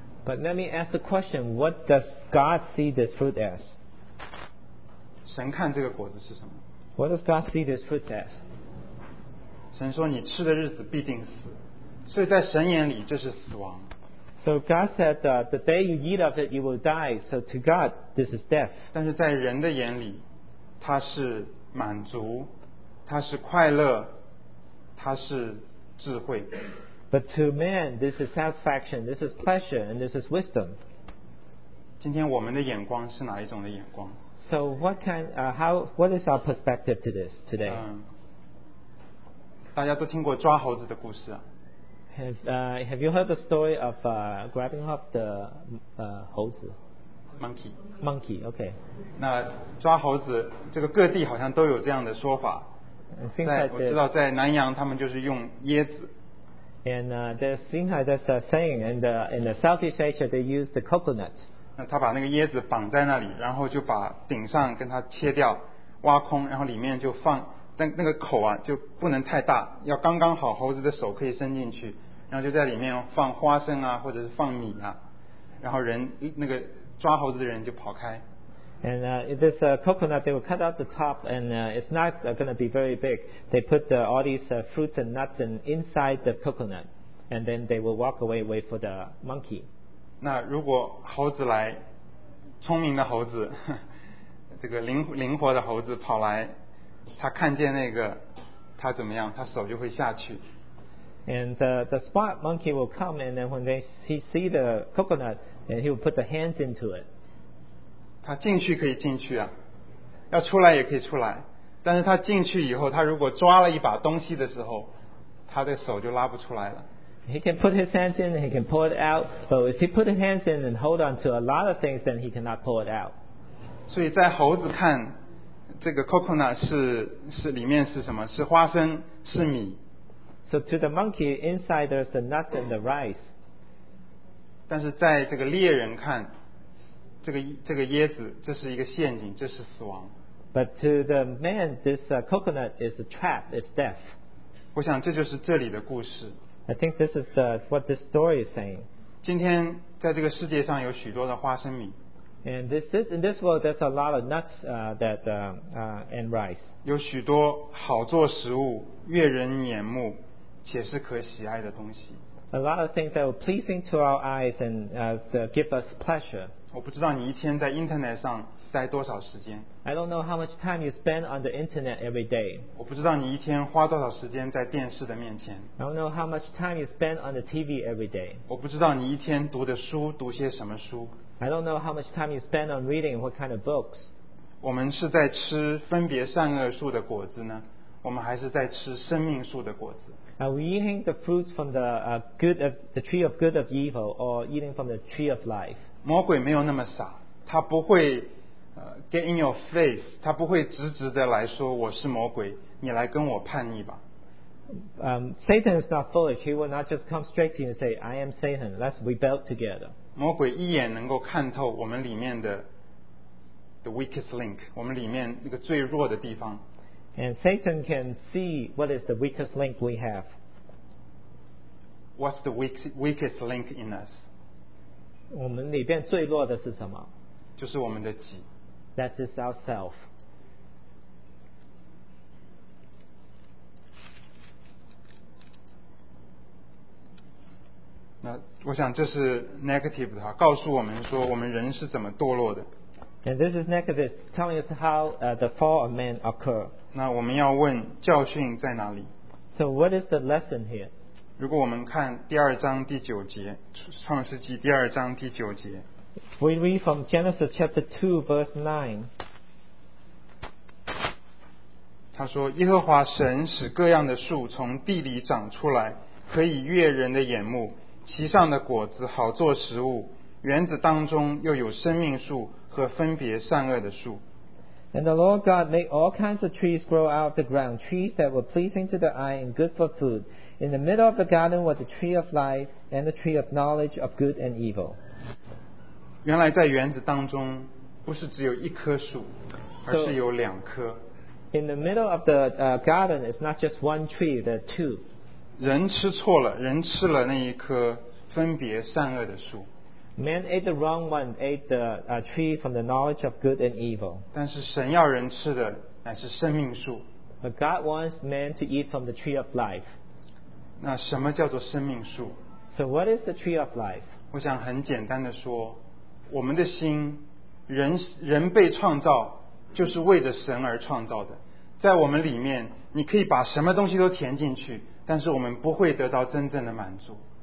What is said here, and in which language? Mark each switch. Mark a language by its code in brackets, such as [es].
[en] But let me ask the question, what does God see this fruit as? [zh] 神看这个果子是什么？ [en] What does God see this fruit as? [zh] 神说你吃的日子必定死，所以在神眼里这是死亡。 [en] So God said, the day you eat of it, you will die. So to God, this is death. [zh] 但是在人的眼里，它是满足，它是快乐，它是智慧。 [en] But to man, this is satisfaction, this is pleasure, and this is wisdom. [zh] 今天我们的眼光是哪一种的眼光？ [en] So what kind, what is our perspective to this today? [zh] 大家都听过抓猴子的故事啊。 [en] Have you heard the story of grabbing up the [zh] 猴子 [en] monkey okay [zh] 那抓猴子这个各地好像都有这样的说法，我知道在南洋他们就是用椰子。 [en] And there's things like that saying in the Southeast Asia they use the coconut. [zh] 那他把那个椰子绑在那里，然后就把顶上跟它切掉挖空，然后里面就放那个口啊就不能太大，要刚刚好猴子的手可以伸进去，然后就在里面放花生啊或者是放米啊，然后人那个抓猴子的人就跑开。 [en] And this coconut they will cut out the top and it's not going to be very big. They put all these fruits and nuts inside the coconut and then they will walk away wait for the monkey. [zh] 那如果猴子来，聪明的猴子，这个灵活的猴子跑来，他看见那个，他怎么样？他手就会下去。 [en] And the smart monkey will come, and then when he see the coconut, and he will put the hands into it. [zh] 他进去可以进去啊，要出来也可以出来。但是他进去以后，他如果抓了一把东西的时候，他的手就拉不出来了。 [en] He can put his hands in, and he can pull it out. But if he put his hands in and hold on to a lot of things, then he cannot pull it out. [zh] 所以在猴子看。这个 coconut 是里面是什么？是花生，是米。 [en] So to the monkey, inside there's the nuts and the rice. [zh] 但是在这个猎人看，这个椰子，这是一个陷阱，这是死亡。 [en] But to the man, this coconut is a trap, it's death. [zh] 我想这就是这里的故事。 [en] I think this is what this story is saying. [zh] 今天在这个世界上有许多的花生米。 [en] And in this world, there's a lot of nuts and rice. [zh] 有许多好做食物，悦人眼目，且是可喜爱的东西。 [en] A lot of things that are pleasing to our eyes and give us pleasure. [zh] 我不知道你一天在 internet 上待多少时间。 [en] I don't know how much time you spend on the internet every day. [zh] 我不知道你一天花多少时间在电视的面前。 [en] I don't know how much time you spend on the TV every day. [zh] 我不知道你一天读的书读些什么书。 [en] I don't know how much time you spend on reading what kind of books. [zh] 我们是在吃分别善恶树的果子呢，我们还是在吃生命树的果子？ [en] Are we eating the fruits from the good of the tree of good of evil, or eating from the tree of life? [zh] 魔鬼没有那么傻，他不会 [en] get in your face， [zh] 他不会直直的来说我是魔鬼，你来跟我叛逆吧。 [en] Satan is not foolish. He will not just come straight to you and say, "I am Satan. Let's rebel together." [zh] 魔鬼一眼能够看透我们里面的 [en] the weakest link， [zh] 我们里面那个最弱的地方。 [en] And Satan can see what is the weakest link we have. What's the weakest link in us? [zh] 我们里面最弱的是什么？就是我们的己。 [en] That is ourself. [zh] 那我想这是 negative 的，告诉我们说我们人是怎么堕落的。 [en] And this is negative, telling us how the fall of man occurred. [zh] 那我们要问教训在哪里？ [en] So what is the lesson here? [zh] 如果我们看第二章第九节，创世纪第二章第九节。 [en] We read from Genesis chapter 2 verse 9. [zh] 他说：耶和华神使各样的树从地里长出来，可以悦人的眼目。其上的果子好做食物，园子当中又有生命树和分别善恶的树。 [en] And the Lord God made all kinds of trees grow out of the ground, trees that were pleasing to the eye and good for food. In the middle of the garden was the tree of life and the tree of knowledge of good and evil. [zh] 原来在园子当中不是只有一棵树，而是有两棵。 [en] In the middle of the garden is not just one tree, there are two. [zh] 人吃错了，人吃了那一棵分别善恶的树。 [en] Man ate the wrong one, ate the tree from the knowledge of good and evil. [zh] 但是神要人吃的乃是生命树。 [en] But God wants man to eat from the tree of life. [zh] 那什么叫做生命树？ [en] So what is the tree of life? [zh] 我想很简单的说，我们的心，人被创造就是为着神而创造的。在我们里面，你可以把什么东西都填进去。但是我们不会得到真正的满足。